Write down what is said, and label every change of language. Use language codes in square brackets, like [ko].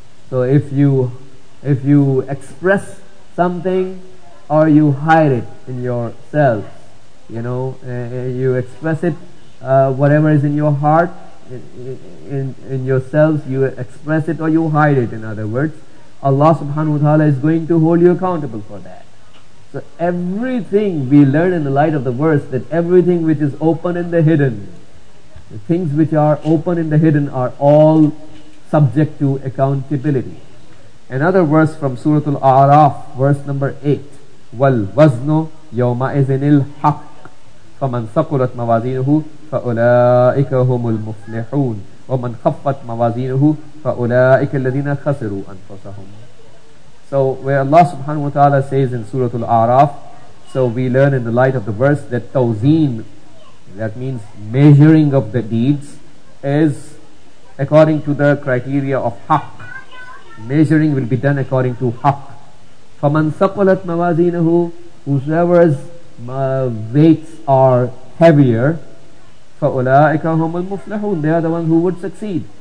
[en] So if you express something, or you hide it in yourself, you express it, whatever is in your heart, in yourselves, you express it or you hide it, in other words, Allah subhanahu wa ta'ala is going to hold you accountable for that. So everything we learn in the light of the verse, that everything which is open in the hidden, the things which are open in the hidden are all subject to accountability. Another verse from Surah Al-A'raf, verse number 8, [ar] وَالْوَزْنُ يَوْمَئِذٍ الْحَقِّ فَمَنْ ثَقُلَتْ مَوَازِينُهُ فَأُولَٰئِكَ هُمُ الْمُفْلِحُونَ وَمَنْ خَفَّتْ مَوَازِينُهُ فَأُولَٰئِكَ الَّذِينَ خَسِرُوا أَنفُسَهُمْ. [en] So where Allah subhanahu wa ta'ala says in Surah Al-A'raf, so we learn in the light of the verse that tawzeen, that means measuring of the deeds, is according to the criteria of haqq. Measuring will be done according to haqq. [ar] فَمَنْ ثَقُلَتْ مَوَازِينَهُ, [en] whosoever's weights are heavier, [ar] فَأُولَٰئِكَ هُمُ الْمُفْلِحُونَ, [en] they are the ones who would succeed.